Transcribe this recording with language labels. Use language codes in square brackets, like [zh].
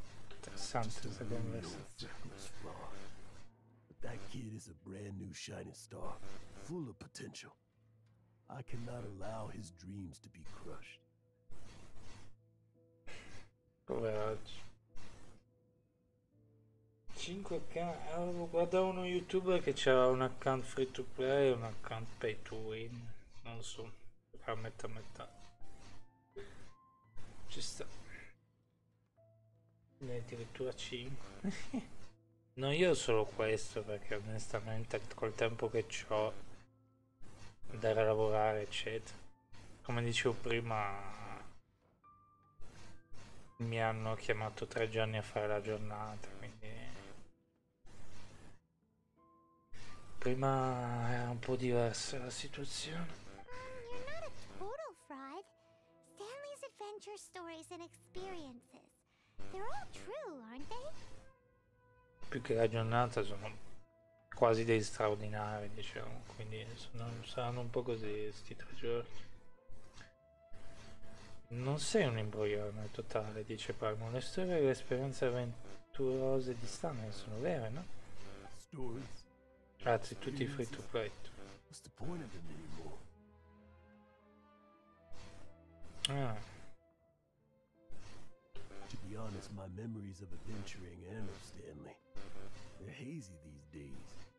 [it] Interessante questa conversazione. [en] But that kid is a brand new shining star, full of potential. I cannot allow his dreams to be crushed. [it] Poveraggio. 5k. Guarda, uno youtuber che c'era un account free to play e un account pay to win. Non so, a metà metà. Ci sta. Ne addirittura 5. No, io ho solo questo perché onestamente col tempo che ho, andare a lavorare eccetera, come dicevo prima, mi hanno chiamato 3 giorni a fare la giornata, quindi prima era un po' diversa la situazione. [en] You're not a total fraud. Stanley's adventure stories and experiences, they're all true, aren't they? [it] Più che la giornata sono quasi dei straordinari, diciamo, quindi saranno un po' così sti 3 giorni. Non sei un imbroglione totale, dice Palmo. Le storie e le esperienze avventurose di Stanley sono vere, no? [en] Stories. [it] Grazie, tutti i free to play. [en] What's the point of them anymore? Ah. To be honest, my memories of adventuring and of Stanley, they're hazy these days.